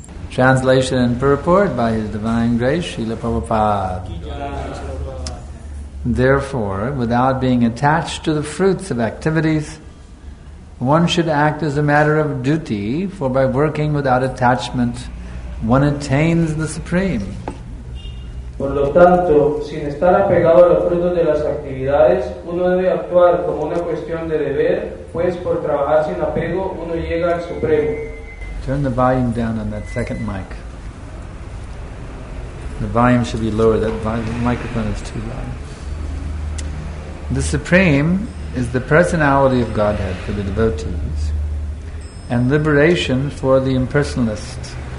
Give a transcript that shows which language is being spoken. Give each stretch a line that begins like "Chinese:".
English: Translation and purport by His Divine Grace Śrīla Prabhupāda. Therefore, without being attached to the fruits of activities, one should act as a matter of duty, for by working without attachment, one attains the Supreme.
Spanish: Por lo tanto, sin estar apegado a los frutos de las actividades, uno debe actuar como una cuestión de deber, pues por trabajar sin apego, uno llega al Supremo.
English: Turn the volume down on that second mic. The volume should be lower, that microphone is too loud. The Supreme is the personality of Godhead for the devotees and liberation for the impersonalist.